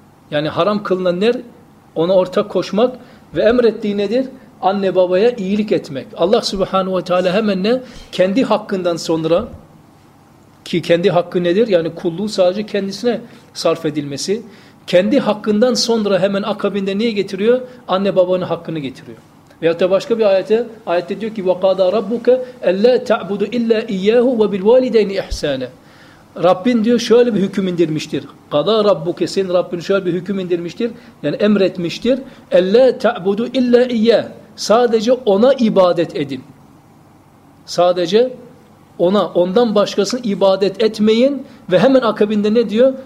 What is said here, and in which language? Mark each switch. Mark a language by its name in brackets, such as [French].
[Turkish] Yani haram kılınan ne? Ona ortak koşmak ve emrettiği nedir? Anne babaya iyilik etmek. Allah Subhanahu ve Teala hemen ne? Kendi hakkından sonra, ki kendi hakkı nedir? Yani kulluğu sadece kendisine sarf edilmesi. Kendi hakkından sonra hemen akabinde niye getiriyor? Anne babanın hakkını getiriyor. Veyahut da başka bir ayette diyor ki [Arabic] وَقَادَ رَبُّكَ اَلَّا تَعْبُدُ اِلَّا اِيَّهُ وَبِالْوَالِدَيْنِ اِحْسَانًا. [Turkish] Rabbin diyor şöyle bir hüküm indirmiştir. [Arabic] قَادَ رَبُّكَ, [Turkish] senin Rabbin şöyle bir hüküm indirmiştir. Yani emretmiştir. [Arabic] اَلَّا تَعْبُدُ اِلَّا اِيَّهُ. [Turkish] Sadece ona ibadet edin. Sadece ona, ondan başkasını ibadet etmeyin ve hemen akabinde ne diyor?